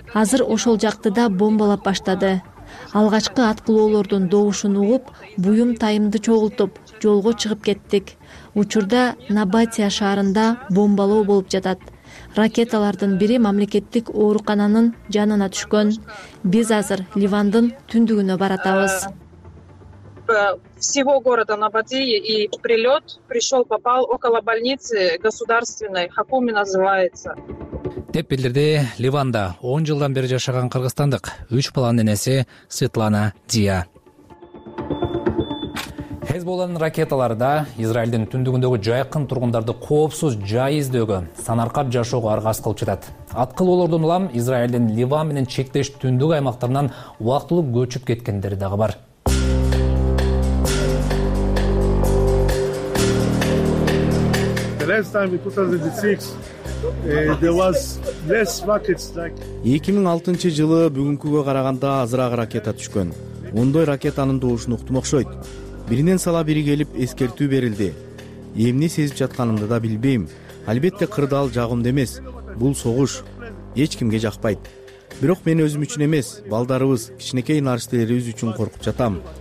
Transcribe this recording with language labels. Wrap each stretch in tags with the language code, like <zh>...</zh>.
<ky>Азыр ошол жакты да бомбалап баштады. Алгачкы аткылоолордун добушун угуп, буюм тайымды чогултуп, жолго чыгып кеттик. Учурда Набатия шаарында бомбалоо болуп жатат. Ракеталардын бири мамлекеттик оорукананын жанына түшкөн. Биз азыр Ливандын түндүгүнө баратабыз.</ky> <ru>Всего города Набатии и прилет пришел, попал около больницы государственной, Хакуми называется.</ru> <ky>Деп билдирди Ливанда 10 жылдан бери жашаган кыргызстандык 3 баланын энеси Светлана Дия. Хезболлонун ракеталары да Израилдин түндүгүндөгү жайкын тургундарды коопсуз жай издөөгө, санаркап жашоого аргасыз кылып жатат. Аткылоолордон улам Израилдин Ливан менен чектеш түндүк аймактарынан убактылуу көчүп кеткендери дагы бар.</ky> <en>Last time in 2006 there was less rocket strike.</en> <ky>2006 жылы бүгүнкүгө караганда азыраак ракета түшкөн. Ондой ракетанын добушун уктум окшойт. Биринен сала бири келип эскертүү берилди. Эмне сезип жатканымды да билбейм. Албетте кырдаал жагымды эмес. Бул согуш эч кимге жакпайт. Бирок мен өзүм үчүн эмес, балдарыбыз, кичинекей нарыштелерибиз үчүн коркуп жатам.</ky>